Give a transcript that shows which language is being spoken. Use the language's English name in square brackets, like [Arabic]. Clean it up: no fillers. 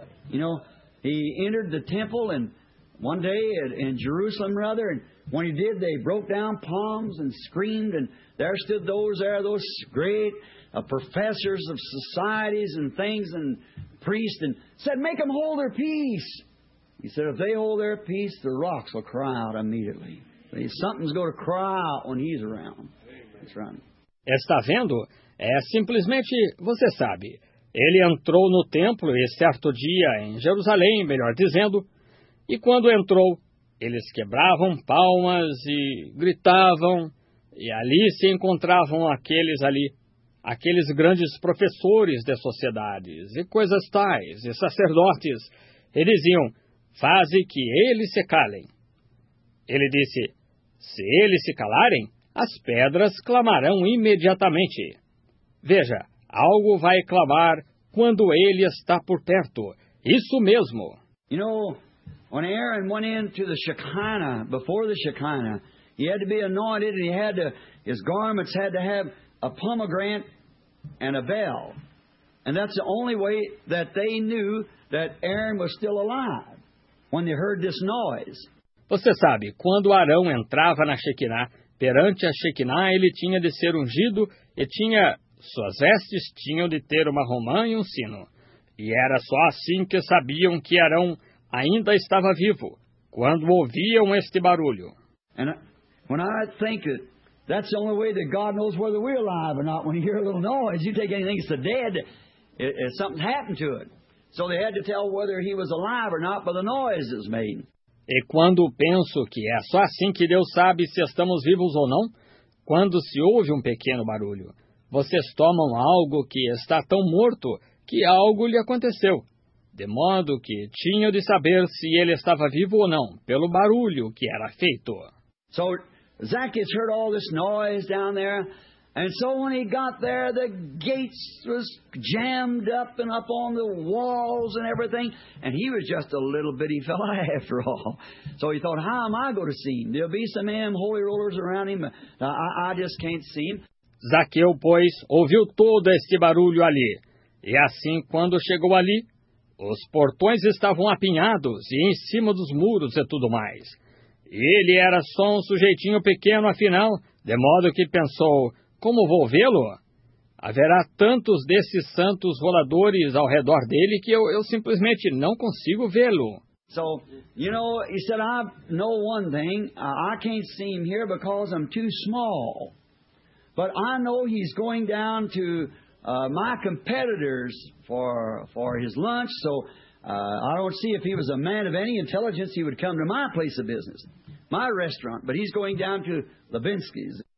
[English] You know, he entered the temple and one day in Jerusalem, rather, and when he did, they broke down palms and screamed, and there stood those great professors of societies and things and priests, and said, make them hold their peace. He said, if they hold their peace, the rocks will cry out immediately. Something's going to cry out when he's around. That's right. [Portuguese] Está vendo? É simplesmente, você sabe, ele entrou no templo e certo dia em Jerusalém, melhor dizendo, e quando entrou, eles quebravam palmas e gritavam, e ali se encontravam aqueles grandes professores de sociedades, e coisas tais, e sacerdotes, e diziam, faze que eles se calem. Ele disse, se eles se calarem, as pedras clamarão imediatamente. Veja, algo vai clamar quando ele está por perto, isso mesmo. [English] You know, when Aaron went into the Shekinah, before the Shekinah, he had to be anointed and his garments had to have a pomegranate and a veil. And that's the only way that they knew that Aaron was still alive when they heard this noise. [Portuguese] Você sabe, quando Arão entrava na Shekinah, perante a Shekinah ele tinha de ser ungido e tinha suas vestes tinham de ter uma romã e um sino. E era só assim que sabiam que Arão ainda estava vivo quando ouviam este barulho. [English] And when I think that's the only way that God knows whether we're alive or not, when you hear a little noise, you take anything that's dead, something happened to it. So they had to tell whether he was alive or not by the noise that was made. [Portuguese] E quando penso que é só assim que Deus sabe se estamos vivos ou não, quando se ouve um pequeno barulho, vocês tomam algo que está tão morto que algo lhe aconteceu. De modo que tinham de saber se ele estava vivo ou não, pelo barulho que era feito. [English] So, Zacchaeus heard all this noise down there, and so when he got there, the gates was jammed up and up on the walls and everything, and he was just a little bitty fella after all. So he thought, how am I going to see him? There'll be some holy rollers around him, but I just can't see him. [Portuguese] Zaqueu, pois, ouviu todo este barulho ali, e assim, quando chegou ali, os portões estavam apinhados e em cima dos muros e tudo mais. E ele era só um sujeitinho pequeno, afinal, de modo que pensou, como vou vê-lo? Haverá tantos desses santos voladores ao redor dele que eu simplesmente não consigo vê-lo. [English] So, you know, he said, I know one thing, I can't see him here because I'm too small. But I know he's going down to my competitors for his lunch, so I don't see if he was a man of any intelligence, he would come to my place of business, my restaurant, but he's going down to Levinsky's.